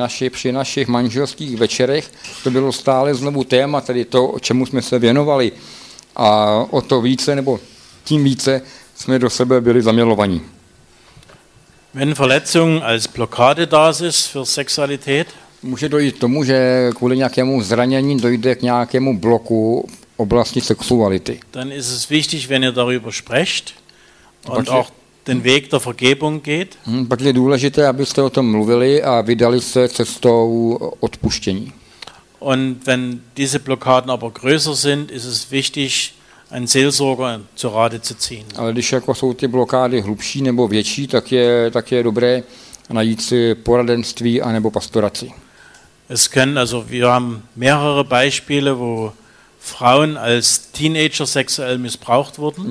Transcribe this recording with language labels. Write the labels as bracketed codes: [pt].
[cs] Při našich manželských večerech to bylo stále znovu téma, tedy to, čemu jsme se věnovali. A o to více nebo tím více jsme do sebe byli zamilovaní. [de] Wenn Verletzung als Blockade da ist für Sexualität, [cs] může dojít tomu, že kvůli nějakému zranění dojde k nějakému bloku oblasti sexuality. [de] Dann ist es wichtig, wenn ihr darüber sprecht und auch den Weg der Vergebung geht. [cs] Pak je důležité, abyste o tom mluvili a vydali se cestou odpuštění. [de] Und wenn diese Blockaden aber größer sind, ist es wichtig, einen Seelsorger zu Rate zu ziehen. [cs] Ale když jako jsou ty blokády hlubší nebo větší, tak je dobré najít si poradenství a nebo pastoraci. [de] Es können, also wir haben mehrere Beispiele, wo Frauen als Teenager sexuell missbraucht wurden.